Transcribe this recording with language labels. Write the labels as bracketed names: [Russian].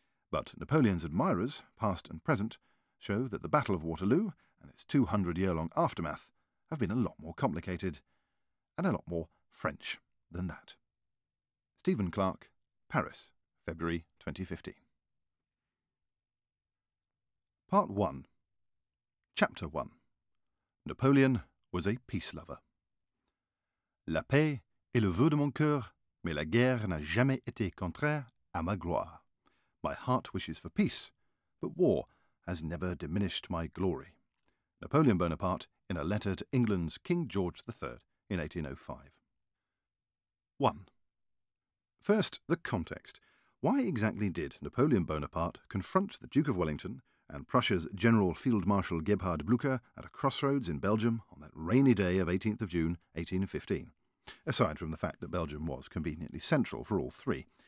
[English] But Napoleon's admirers, past and present, show that the Battle of Waterloo and its 200-year-long aftermath have been a lot more complicated and a lot more French than that. Stephen Clarke, Paris, February 2015. Part 1. Chapter 1. Napoleon was a peace lover. [French] La paix est le vœu de mon cœur, mais la guerre n'a jamais été contraire à ma gloire. [English] My heart wishes for peace, but war has never diminished my glory. Napoleon Bonaparte in a letter to England's King George III in 1805. 1. First, the context. Why exactly did Napoleon Bonaparte confront the Duke of Wellington and Prussia's General Field Marshal Gebhard Blücher at a crossroads in Belgium on that rainy day of 18th of June 1815, aside from the fact that Belgium was conveniently central for all three?